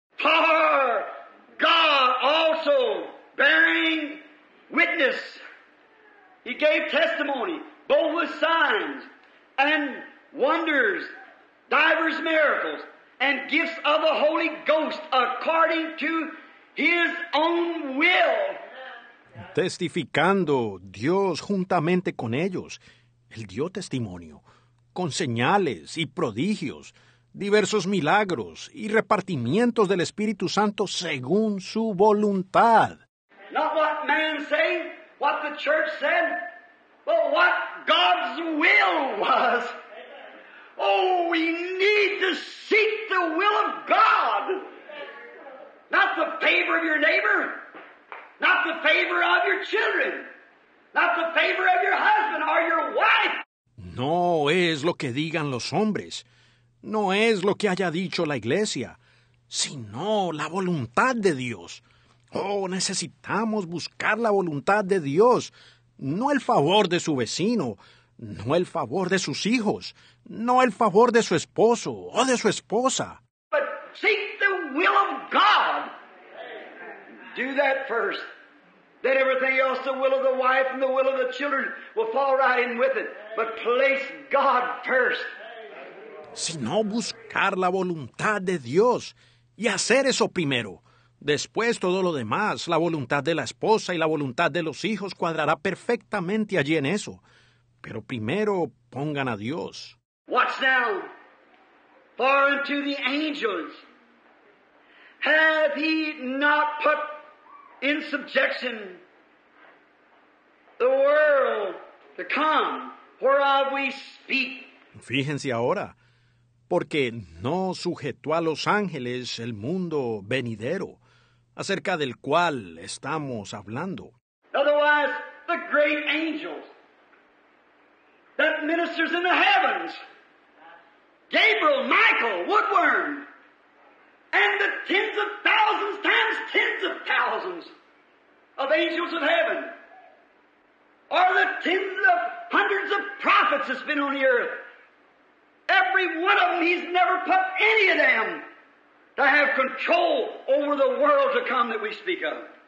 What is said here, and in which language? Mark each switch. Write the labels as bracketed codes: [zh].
[en] For God also bearing witness. He gave testimony, both with signs and wonders, divers miracles, and gifts of the Holy Ghost according to His own will. [es] Testificando Dios juntamente con ellos, Él dio testimonio, con señales y prodigios, diversos milagros y repartimientos del Espíritu Santo según su voluntad. [en] Not what man said, what the church said, but what God's will was. Oh, we need to seek the will of God. Not the favor of your neighbor, not the favor of your children, not the favor of your husband or your wife. [es] No es lo que digan los hombres, no es lo que haya dicho la iglesia, sino la voluntad de Dios. Oh, necesitamos buscar la voluntad de Dios, no el favor de su vecino, no el favor de sus hijos, no el favor de su esposo o de su esposa. [en] But seek the will of God. Do that first. Then everything else, the will of the wife and the will of the children, will fall right in with it. But place God first. [es] Sino buscar la voluntad de Dios y hacer eso primero. Después todo lo demás, la voluntad de la esposa y la voluntad de los hijos cuadrará perfectamente allí en eso. Pero primero pongan a Dios. [en] Watch now. For unto the angels hath he not put in subjection the world to come, whereof we speak. [es] Fíjense ahora. Porque no sujetó a los ángeles el mundo venidero, acerca del cual estamos hablando. [en] Otherwise, the great angels that ministers in the heavens, Gabriel, Michael, Woodworm, and the tens of thousands times tens of thousands of angels of heaven, or the tens of hundreds of prophets that's been on the earth, every one of them, he's never put any of them to have control over the world to come that we speak of.